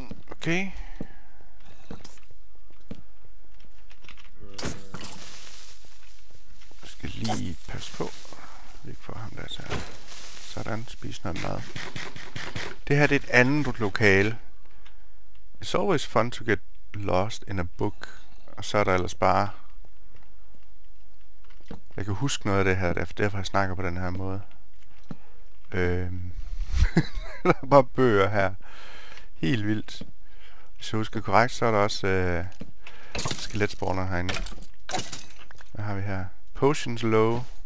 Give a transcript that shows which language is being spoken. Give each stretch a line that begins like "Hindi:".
Danish: Okay. Lige pas på. Vi ikke får ham der til. Sådan, spis noget mad. Det her, det er et andet lokale.
English: It's always fun to get lost in a book.
Danish: Og så er der ellers bare... Jeg kan huske noget af det her, derfor jeg snakker på den her måde. der er bare bøger her. Helt vildt. Hvis jeg husker korrekt, så er der også skeletspawner herinde. Hvad har vi her?
English: Potions low.